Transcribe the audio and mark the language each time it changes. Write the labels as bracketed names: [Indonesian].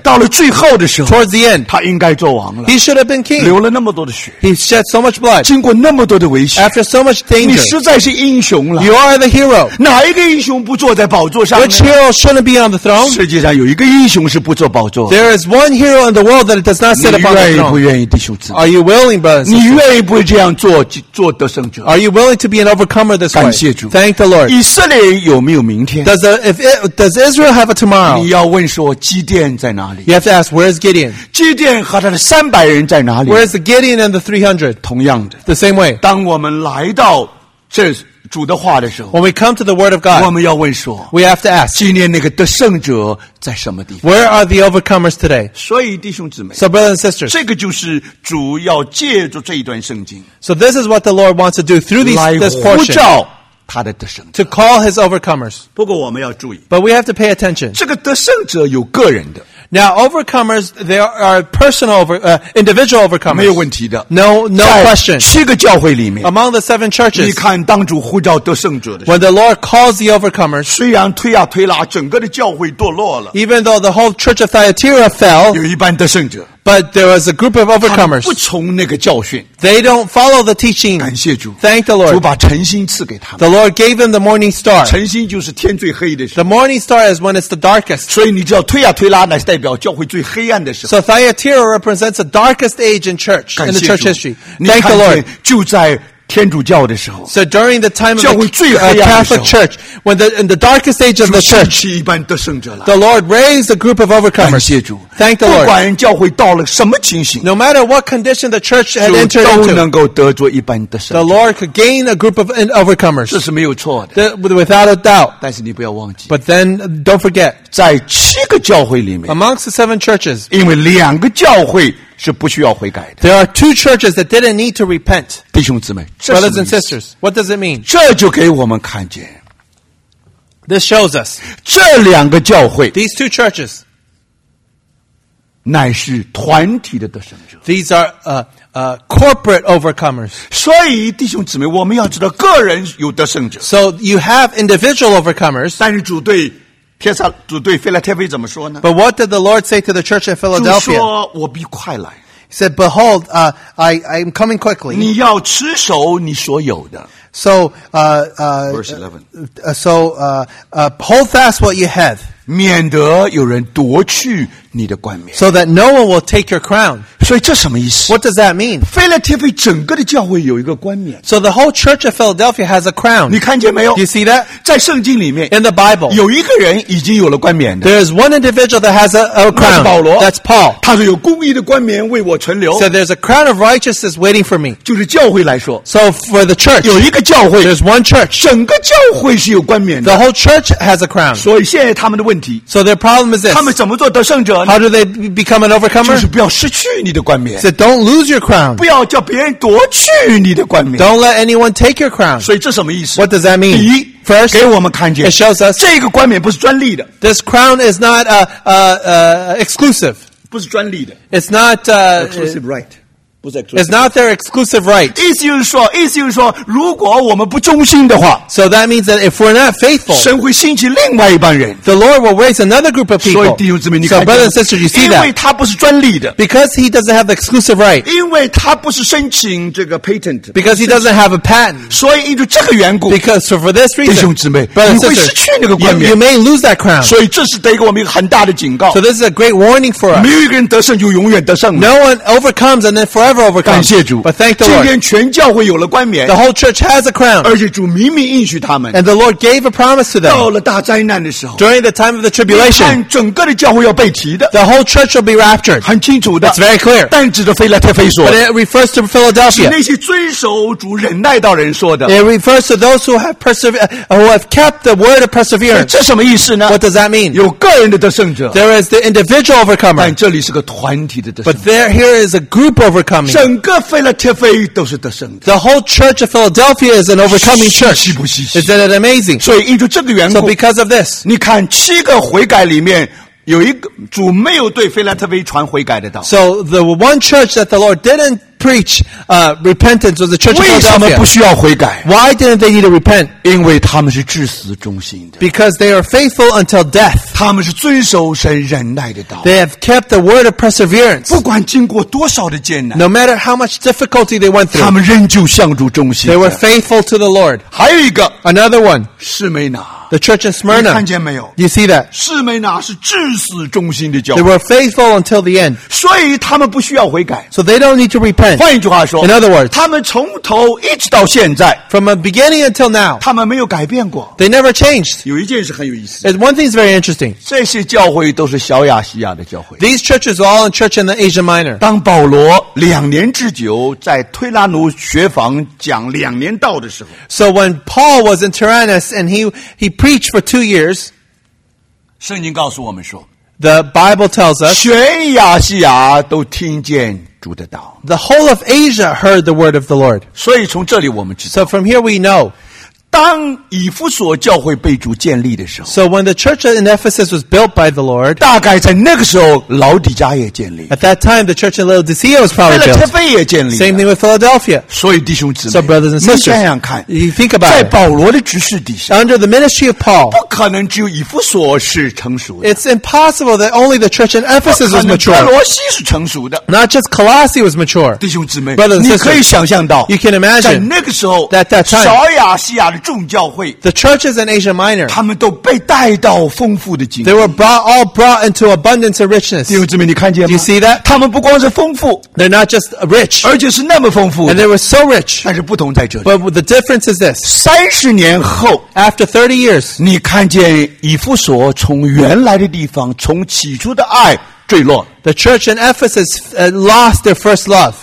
[Chinese] 到了最后的时候。 [English] Towards the end. [Chinese] 他应该做王了。 [English] He should have been king. [Chinese] 流了那么多的血。 [English] He shed so much blood. [Chinese] 经过那么多的危险。 [English] After so much danger. [Chinese] 你实在是英雄了。 [English] You are the hero. [Chinese] 哪一个英雄不坐在宝座上呢？ [English] Which hero shouldn't be on the throne? [Chinese] 世界上有一个英雄是不坐宝座。 [English] There is one hero in the world that does not sit upon the throne. [Chinese] 你愿意不愿意，弟兄姊妹？ [English] Are you willing, brothers? [Chinese] 你愿意不愿意这样做，做得胜者？ [English] Are you willing to be an overcomer this way? [Chinese] 感谢主。 [English] Thank the Lord. [Chinese] 以色列有没有明天？ [English] Does Israel have a tomorrow? [Chinese] 你要问说基甸在哪里？ [English] You have to ask, where is Gideon? [Chinese] 基甸和他的三百人在哪里？ [English] Where is the Gideon and the 300? [Chinese] 同样的。 [English] The same way. [Chinese] 当我们来到这主的话的时候， [English] When we come to the word of God, [Chinese] 我们要问说， [English] We have to ask, [Chinese] 今天那个得胜者在什么地方？ [English] Where are the overcomers today? [Chinese] 所以弟兄姊妹， [English] So brothers and sisters, [Chinese] 这个就是主要借助这一段圣经， [English] So this is what the Lord wants to do through this portion, [Chinese] 来呼召他的得胜者， [English] To call his overcomers. [Chinese] 不过我们要注意， [English] But we have to pay attention. [Chinese] 这个得胜者有个人的。 [English] Now, overcomers, there are personal, individual overcomers. [Chinese] 没有问题的。 [English] No question. [Chinese] 七个教会里面。 [English] Among the seven churches. [Chinese] 你看当主呼召得胜者的时候。 [English] When the Lord calls the overcomers. [Chinese] 虽然推啊推拉，整个的教会堕落了。 [English] Even though the whole church of Thyatira fell. [Chinese] 有一半得胜者。 [English] But there was a group of overcomers. [Chinese] 他们不从那个教训。 [English] They don't follow the teaching. [Chinese] 感谢主。 [English] Thank the Lord. [Chinese] 主把晨星赐给他们。 [English] The Lord gave them the morning star. [Chinese] 晨星就是天最黑的时候。 [English] The morning star is when it's the darkest. [Chinese] 所以你知道推啊推拉乃是代表教会最黑暗的时候。 [English] So Thyatira represents the darkest age in church, in the church history. Thank the Lord. [Chinese] 就在天主教的时候。 [English] So during the time of the [Chinese] 教会最黑暗的时候。 [English] Catholic church, in the darkest age of the church, [Chinese] 兴起一般得胜者来。 [English] The Lord raised a group of overcomers. [Chinese] 感谢主。 [English] Thank the Lord. [Chinese] 不管教会到了什么情形。 [English] No matter what condition the church had entered into, [Chinese] 都能够得着一般得胜者。 [English] The Lord could gain a group of overcomers. [Chinese] 这是没有错的。 [English] Without a doubt. [Chinese] 但是你不要忘记。 [English] But then, don't forget. [Chinese] 在七个教会里面。 [English] Amongst the seven churches. [Chinese] 因为两个教会是不需要悔改的。 [English] There are two churches that didn't need to repent. [Chinese] 弟兄姊妹， [English] Brothers and sisters, what does it mean? [Chinese] 这就给我们看见。 [English] This shows us. [Chinese] 这两个教会。 [English] These two churches. [Chinese] 乃是团体的得胜者。 [English] These are, corporate overcomers. [Chinese] 所以弟兄姊妹，我们要知道个人有得胜者。 [English] So you have individual overcomers. [Chinese] 但是主对主对腓立帖怎么说呢？ [English] But what did the Lord say to the church in Philadelphia? [Chinese] 主说我必快来。 [English] He said, behold, I am coming quickly. [Chinese] 你要持守你所有的。 [English] So, verse 11. So, hold fast what you have. [Chinese] 免得有人夺去你的冠冕。 [English] So that no one will take your crown. [Chinese] 所以这什么意思？ [English] What does that mean? [Chinese] 腓立帖整个的教会有一个冠冕。 [English] So the whole church of Philadelphia has a crown. [Chinese] 你看见没有？ [English] You see that? [Chinese] 在圣经里面。 [English] In the Bible. [Chinese] 有一个人已经有了冠冕的。 [English] There is one individual that has a crown. [Chinese] 那是保罗。 [English] That's Paul. [Chinese] 他说有公义的冠冕为我存留。 [English] So there's a crown of righteousness waiting for me. [Chinese] 就是教会来说。 [English] So for the church. [Chinese] 有一个教会。 [English] There's one church. [Chinese] 整个教会是有冠冕的。 [English] The whole church has a crown. [Chinese] 所以现在他们的问题。 [English] So their problem is this. [Chinese] 他们怎么做得胜者呢？ [English] How do they become an overcomer? [Chinese] 就是不要失去你的冠冕。 [English] So don't lose your crown. [Chinese] 不要叫别人夺去你的冠冕。 [English] Don't let anyone take your crown. [Chinese] 所以这什么意思？ [English] What does that mean? [Chinese] 第一， [English] First, [Chinese] 给我们看见。 [English] It shows us. [Chinese] 这个冠冕不是专利的。 [English] This crown is not, exclusive. [Chinese] 不是专利的。 [English] It's not, exclusive right. It's not their exclusive right. [Chinese] 意思就是说，如果我们不忠心的话 [English] ，so that means that if we're not faithful， [Chinese] 神会兴起另外一帮人。 [English] The Lord will raise another group of people. [Chinese] 所以弟兄姊妹，你看 [English] ，So brothers and sisters, you see that? [Chinese] 因为他不是专利的 [English] ，because he doesn't have the exclusive right. [Chinese] 因为他不是申请这个 patent. [English] Because he doesn't have a patent. [Chinese] 所以因为这个缘故 [English] ，because for this reason， [Chinese] 弟兄姊妹，你会失去那个冠冕 [English] ，you may lose that crown. [Chinese] 所以这是得给我们一个很大的警告。 [English] So this is a great warning for us. [Chinese] 没有一个人得胜就永远得胜了。 [English] No one overcomes and then forever. [Chinese] 感谢主 [English] but thank the Lord. [Chinese] 今天全教会有了冠冕 [English] The whole church has a crown. [Chinese] 而且主明明应许他们 [English] And the Lord gave a promise to them. [Chinese] 到了大灾难的时候 [English] During the time of the tribulation. [Chinese] 你看整个的教会要被提的 [English] The whole church will be raptured. [Chinese] 很清楚的 [English] It's very clear. [Chinese] 但指着腓立特腓说 [English] But it refers to Philadelphia. [Chinese] 是那些遵守主忍耐到人说的 [English] It refers to those who have, who have kept the word of perseverance. [Chinese] 这什么意思呢 [English] What does that mean? [Chinese] 有个人的得胜者 [English] There is the individual overcomer. [Chinese] 但这里是个团体的得胜者 [English] But there, here is a group overcomer. [Chinese] 整个腓立特腓都是得胜的。 [English] The whole church of Philadelphia is an overcoming church. [Chinese] 稀不稀奇 [English] Isn't it amazing? [Chinese] 所以因着这个缘故 [English] So because of this, [Chinese] 你看七个悔改里面有一个主没有对腓立特腓传悔改的道。 [English] So the one church that the Lord didn't preach repentance was the church of Philadelphia. [Chinese] 为什么不需要悔改 [English] Why didn't they need to repent? [Chinese] 因为他们是至死忠心的。 [English] Because they are faithful until death. [Chinese] 他们是遵守神忍耐的道。 [English] They have kept the word of perseverance. [Chinese] 不管经过多少的艰难 [English] No matter how much difficulty they went through. [Chinese] 他们仍旧向主忠心的。 [English] They were faithful to the Lord. [Chinese] 还有一个 [English] Another one. [Chinese] 士美拿 [English] The church in Smyrna. [Chinese] 你看见没有 [English] You see that? [Chinese] 士美拿是至死忠心的教会。 [English] They were faithful until the end. [Chinese] 所以他们不需要悔改。 [English] So they don't need to repent. [Chinese] 换一句话说 [English] In other words, [Chinese] 他们从头一直到现在 [English] From the beginning until now, [Chinese] 他们没有改变过。 [English] They never changed. [Chinese] 有一件事很有意思。 [English] And one thing is very interesting. [Chinese] 这些教会都是小亚细亚的教会。 [English] These churches are all in church in the Asia Minor. [Chinese] 当保罗两年之久在推拉奴学房讲两年道的时候 [English] So when Paul was in Tyrannus and he preached for 2 years, [Chinese] 圣经告诉我们说 [English] the Bible tells us, [Chinese] 全亚细亚都听见主的道 [English] the whole of Asia heard the word of the Lord. [Chinese] 所以从这里我们知道 [English] so from here we know, [Chinese] 当以弗所教会被主建立的时候 [English] so when the church in Ephesus was built by the Lord, [Chinese] 大概在那个时候老底嘉也建立 [English] at that time the church in Laodicea was probably built, [Chinese] 腓立特腓也建立 [English] same thing with Philadelphia. [Chinese] 所以弟兄姊妹 [English] so brothers and sisters, [Chinese] 你想想看 [English] you think about it, [Chinese] 在保罗的指示底下 [English] under the ministry of Paul, [Chinese] 不可能只有以弗所是成熟的 [English] it's impossible that only the church in Ephesus was mature, [Chinese] 罗西是成熟的 [English] not just Colossae was mature, [Chinese] 弟兄姊妹 [English] brothers and sisters, [Chinese] 你可以想象到 [English] you can imagine, [Chinese] 在那个时候 [English] at that time, [Chinese] 小亚细亚的众教会 [English] The churches in Asia Minor [Chinese] 他们都被带到丰富的经历 [English] They were all brought into abundance and richness [Chinese] 弟兄姊妹你看见吗 [English] You see that? [Chinese] 他们不光是丰富 [English] They're not just rich [Chinese] 而且是那么丰富 [English] And they were so rich [Chinese] 但是不同在这里 [English] But the difference is this [Chinese] 30年后 [English] After 30 years [Chinese] 你看见以弗所从原来的地方从起初的爱坠落 [English] The church in Ephesus lost their first love.